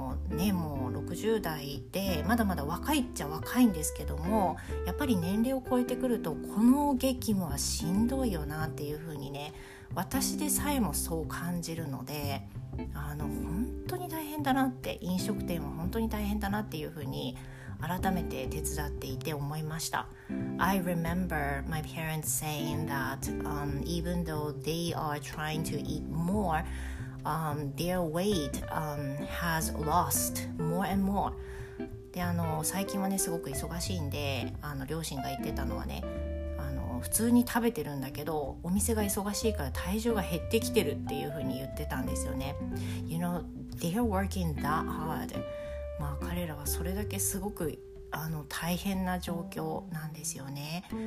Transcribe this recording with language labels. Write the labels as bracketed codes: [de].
[ja] ね、もう60代でまだまだ若いっちゃ若いんですけども、やっぱり年齢を超えてくると、この激務はしんどいよなっていう風にね、私でさえもそう感じるので、本当に大変だなって、飲食店は本当に大変だなっていう風に改めて手伝っていて思いました。 [en] I remember my parents saying that even though they are trying to eat more, their weight has lost more and more. [ja] で、最近はねすごく忙しいんで、両親が言ってたのはね、普通に食べてるんだけど、お店が忙しいから体重が減ってきてるっていう風に言ってたんですよね。 [en] You know, they're working that hard. [ja] まあ彼らはそれだけすごく大変な状況なんですよね。